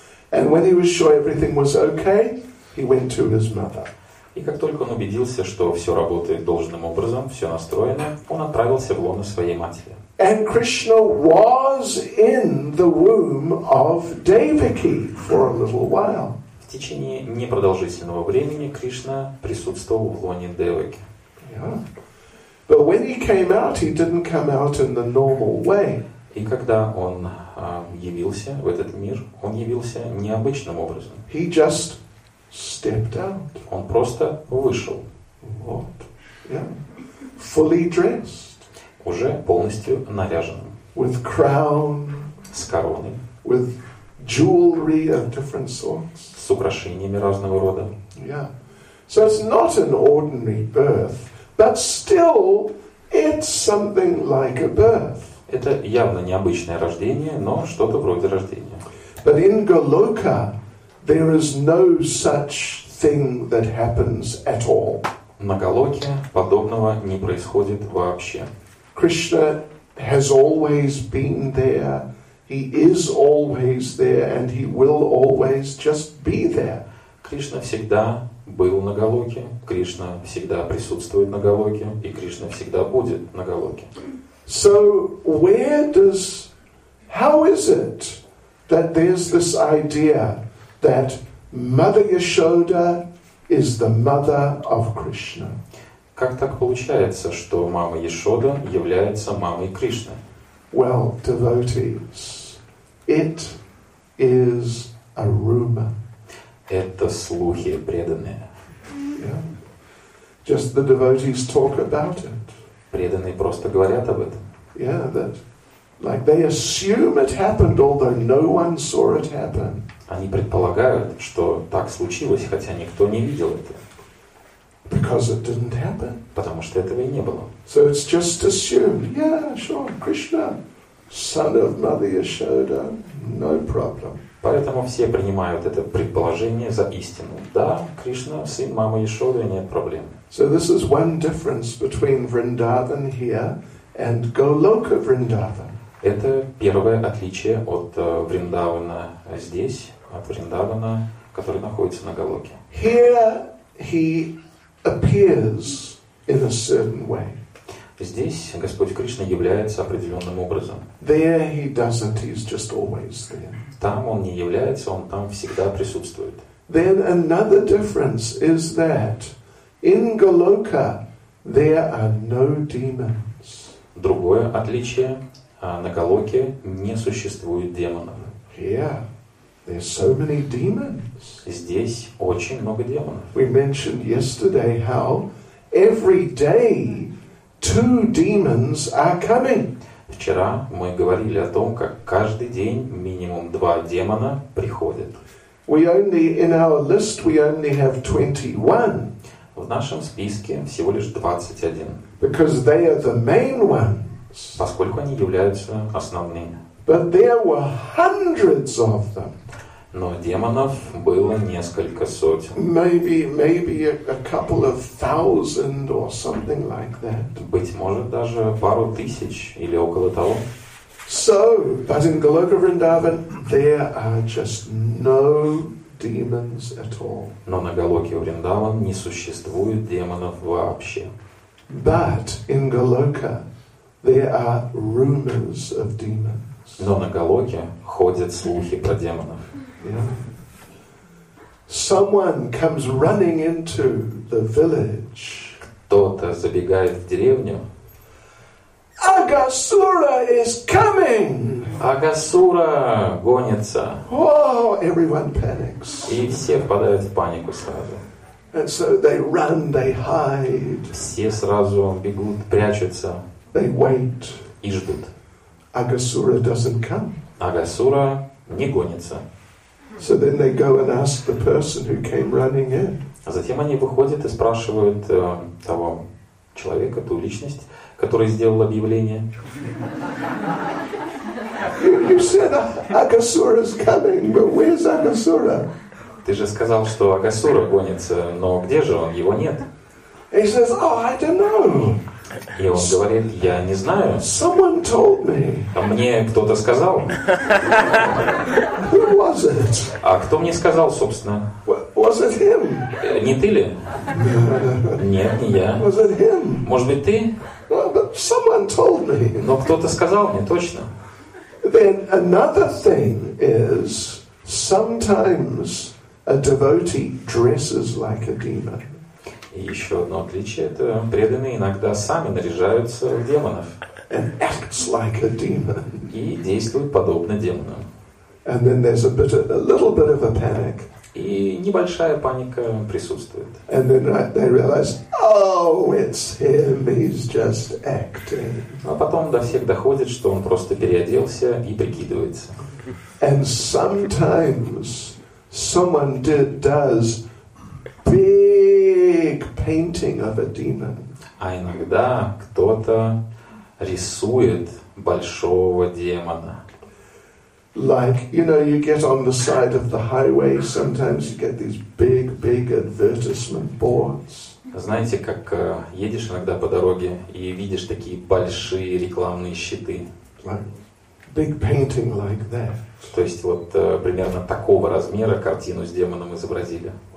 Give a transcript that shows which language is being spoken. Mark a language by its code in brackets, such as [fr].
[en] And when he was sure everything was okay, he went to his mother. [ru] И как только он убедился, что все работает должным образом, все настроено, он отправился в лоно своей матери. [en] And Krishna was in the womb of Devaki for a little while. [ru] В течение непродолжительного времени Кришна присутствовал в лоне Девики. [en] But when he came out, he didn't come out in the normal way. [ru] И когда он явился в этот мир, он явился необычным образом. [en] He just stepped out. [ru] Он просто вышел. [en] Вот. Yeah. Fully dressed. [ru] Уже полностью наряженным. [en] With crown. [ru] С короной. [en] With jewelry of different sorts. [ru] С украшениями разного рода. [en] Yeah. So it's not an ordinary birth, but still it's something like a birth. [ru] Это явно необычное рождение, но что-то вроде рождения. [en] But in Goloka there is no such thing that happens at all. [ru] На Голоке подобного не происходит вообще. [en] Krishna has always been there. He is always there and he will always just be there. [ru] Кришна всегда был на Голоке. Кришна всегда присутствует на Голоке и Кришна всегда будет на Голоке. [en] So where does, how is it that there's this idea that Mother Yashoda is the mother of Krishna? [ru] Как так получается, что мама Яшода является мамой Кришны? [en] Well, devotees, it is a rumor. [ru] Это слухи преданные. [en] Yeah. Just the devotees talk about it. [ru] Преданные просто говорят об этом. [en] Yeah, that like they assume it happened, although no one saw it happen. [ru] Они предполагают, что так случилось, хотя никто не видел это. [en] Because it didn't happen. [ru] Потому что этого и не было. [en] So it's just assumed. Yeah, sure, Krishna, son of Mother Yashoda, no problem. [ru] Поэтому все принимают это предположение за истину. Да, Кришна, сын мамы Яшоды, нет проблем. [en] So this is one difference between Vrindavan here and Goloka Vrindavan. [ru] Это первое отличие от Вриндавана здесь, от Вриндавана, который находится на Голоке. [en] Here he appears in a certain way. [ru] Здесь Господь Кришна является определенным образом. [en] There he doesn't, he's just always there. [ru] Там он не является, он там всегда присутствует. [en] Then another difference is that in Goloka there are no demons. [ru] Другое отличие. На Голоке не существует демонов. [en] Here there's so many demons. [ru] Здесь очень много демонов. [en] We mentioned yesterday how every day two demons are coming. [ru] Вчера мы говорили о том, как каждый день минимум два демона приходят. [en] We only, in our list, we only have 21. [ru] В нашем списке всего лишь 21. [en] Because they are the main ones. [ru] Поскольку они являются основными. [en] But there were hundreds of them. [ru] Но демонов было несколько сотен. [en] Maybe a couple of thousand or something like that. [ru] Быть может даже пару тысяч или около того. [en] So, but in Goloka Vrindavan there are just no demons at all. [ru] Но на Голоке Вриндаван не существует демонов вообще. [en] But in Goloka there are rumors of demons. [ru] Но на Голоке ходят слухи про демонов. [en] Someone comes running into the village. [ru] Кто-то забегает в деревню. [en] Агасура is coming. [ru] Агасура гонится. [en] Oh, everyone panics. [ru] И все впадают в панику сразу. [en] And so they run, they hide. [ru] Все сразу бегут, прячутся. [en] They wait. [ru] И ждут. [en] Агасура doesn't come. [ru] Агасура не гонится. [en] So then they go and ask the person who came running in. [ru] А затем они выходят и спрашивают того человека, ту личность, который сделал объявление. [en] You said Агасура is coming, but where's Агасура? [ru] Ты же сказал, что Агасура гонится, но где же он? Его нет. [en] He says, oh, I don't know. [ru] И он говорит, я не знаю. [en] Someone told me. [ru] А мне кто-то сказал. [en] Who was it? [ru] А кто мне сказал, собственно? [en] Was it him? [ru] Не ты ли? [en] No. [ru] Нет, не я. [en] Was it him? [ru] Может быть, ты? [en] No, but someone told me. [ru] Но кто-то сказал мне, точно. [en] Then another thing is sometimes a devotee dresses like a demon. [ru] И еще одно отличие – это преданные иногда сами наряжаются в демонов. [en] And acts like a demon. [ru] И действуют подобно демону. [en] And then there's a bit of, a little bit of a panic. [ru] И небольшая паника присутствует. [en] And then they realize, oh, it's him, he's just acting. [ru] А потом до всех доходит, что он просто переоделся и прикидывается. [en] And sometimes someone does big painting of a demon. [ru] А иногда кто-то рисует большого демона. [en] Like, you know, you get on the side of the highway, sometimes you get these big, big advertisement boards. [ru] Знаете, как едешь иногда по дороге и видишь такие большие рекламные щиты. [en] Like, big painting like that. [ru] То есть вот примерно такого размера картину с демоном изобразили.